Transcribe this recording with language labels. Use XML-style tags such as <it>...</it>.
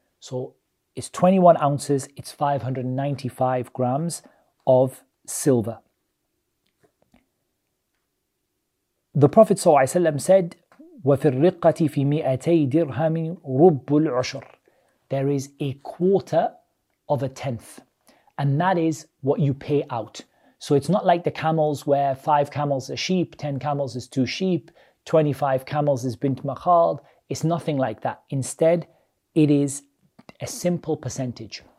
<en>So it's 21 ounces, it's 595 grams of silver. The Prophet ﷺ said,</en> <ar>وَفِي الرِّقَّةِ فِي مِئَتَيْ دِرْهَمٍ رُبُّ الْعُشُرِ.</ar> <en>There is a quarter of a tenth, and that is what you pay out. So it's not like the camels, where 5 camels are sheep, 10 camels is 2 sheep, 25 camels is bint makhald. It's nothing like that. Instead, it is a simple percentage.</en>